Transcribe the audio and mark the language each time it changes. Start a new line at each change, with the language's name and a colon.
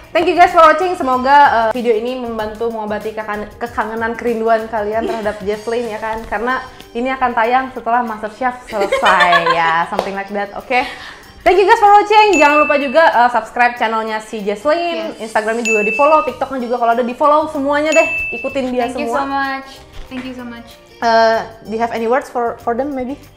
English: Thank you guys for watching.
Indonesian: Semoga video ini membantu mengobati kekangenan kerinduan kalian terhadap Jaslyn ya kan? Karena ini akan tayang setelah MasterChef selesai ya,
English: something like that.
Indonesian: Oke. Okay?
English: Thank you guys for watching.
Indonesian: Jangan lupa juga subscribe channelnya si Jaslyn.
English: Yes.
Indonesian: Instagramnya juga di follow, TikToknya juga kalau ada di follow semuanya deh. Ikutin dia
English: thank Thank you so much. Thank you so much. Do you have any words for them maybe?